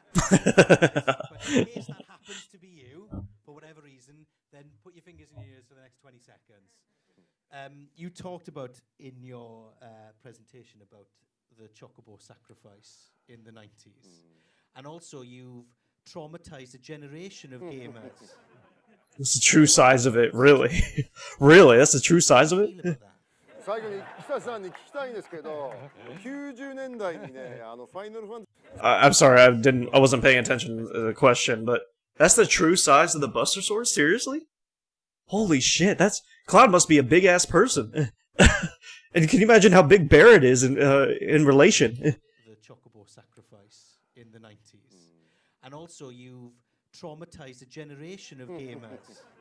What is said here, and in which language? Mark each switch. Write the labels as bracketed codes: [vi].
[en] But if that happens to be you, for whatever reason, then put your fingers in your ears for the next 20 seconds. You talked about in your presentation about the chocobo sacrifice in the 90s, and also you've traumatized a generation of gamers. That's the true size of it, really. Really, that's the true size of it. [ja] 最後に北さんに聞きたいんですけど、90年代にね、あのファイナルファン。 [en] I'm sorry, I wasn't paying attention to the question, but that's the true size of the Buster Sword? Seriously? Holy shit, that's Cloud must be a big ass person. And can you imagine how big Barrett is in relation? The chocobo sacrifice in the 90s, and also you've traumatized a generation of gamers.